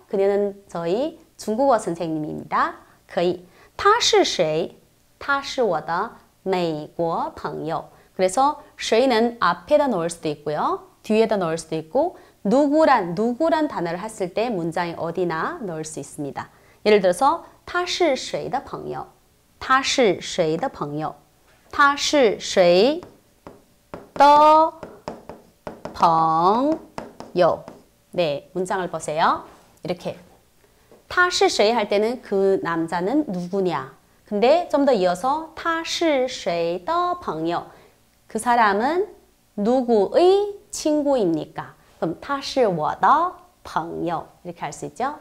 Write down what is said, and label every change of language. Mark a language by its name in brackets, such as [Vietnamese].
[Korean] 그녀는 저희 중국어 선생님입니다. [Chinese] 可以.他是谁?他是我的美国朋友. [Korean] 그래서 谁는 앞에다 놓을 수도 있고요. 뒤에다 놓을 수도 있고 누구란 단어를 했을 때 문장에 어디나 넣을 수 있습니다. [Chinese] 예를 들어서 他是谁的朋友?他是谁的朋友?他是谁的朋友? [Korean] 네, 문장을 보세요. 이렇게 [Chinese] 他是谁 [Korean] 할 때는 그 남자는 누구냐? 근데 좀더 이어서 [Chinese] 他是谁的朋友? [Korean] 그 사람은 누구의 친구입니까? 그럼 [Chinese] 他是我的朋友 [Korean] 이렇게 할수 있죠?